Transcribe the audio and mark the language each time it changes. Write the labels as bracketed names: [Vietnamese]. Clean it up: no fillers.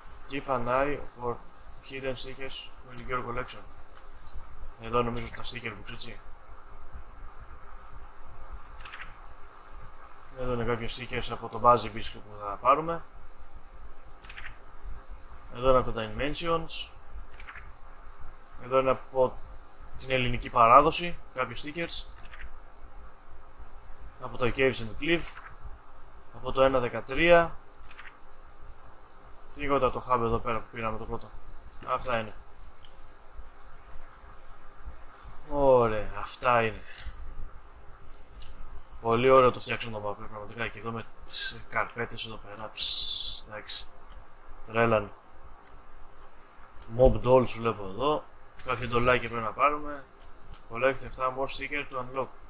[English] Keep an eye for hidden stickers in your collection. [Greek] Εδώ νομίζω τα sticker που ξέρεις. Εδώ είναι κάποιες stickers από το Buzzy Biscuit που θα πάρουμε. Εδώ είναι από τα Inventions. Εδώ είναι από την ελληνική παράδοση κάποιες stickers. Από το Caves and Cliff. Από το 1.13. Τίποτα το hub εδώ πέρα που πήραμε το πρώτο. Αυτά είναι. Ωραία, αυτά είναι. Πολύ ωραίο το φτιάξαμε το map, πραγματικά. Και εδώ με τις καρπέτες εδώ πέρα. Εντάξει. Τρέλαν. Mob dolls βλέπω εδώ. Κάποια ντολάκια πρέπει να πάρουμε. [English] Collect 7 more sticker to unlock.